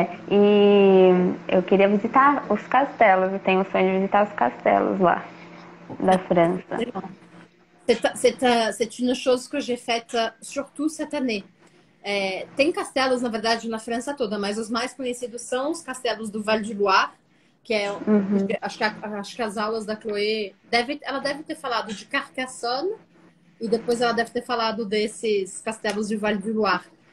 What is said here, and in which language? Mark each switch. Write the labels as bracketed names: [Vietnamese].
[Portuguese] E eu queria visitar os castelos. Eu tenho o sonho de visitar os castelos lá da França. [French] C'est une chose que j'ai faite surtout cette année. [Portuguese] É, tem castelos, na verdade, na França toda, mas os mais conhecidos são os castelos do Val du Loire, que é, acho que as aulas da Chloé, ela deve ter falado de Carcassonne, e depois ela deve ter falado desses castelos de Val du Loire.